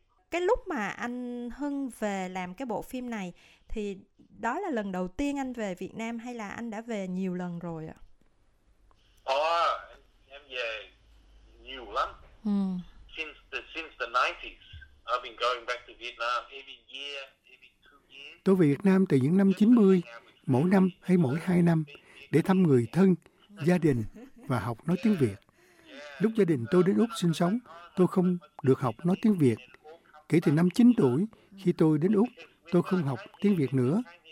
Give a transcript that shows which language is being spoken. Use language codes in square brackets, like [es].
[vi] Cái lúc mà anh Hưng về làm cái bộ phim này thì đó là lần đầu tiên anh về Việt Nam hay là anh đã về nhiều lần rồi ạ? Em về nhiều lắm. [en] Since the 90s, I've been going back to Vietnam every year, every 2 years. [vi] Tôi về Việt Nam từ những năm 90, mỗi năm hay mỗi 2 năm để thăm người thân, gia đình và học nói tiếng Việt. Lúc gia đình tôi đến Úc sinh sống, tôi không được học nói tiếng Việt. Kể từ năm 9 tuổi, khi tôi đến Úc, tôi không học tiếng Việt nữa.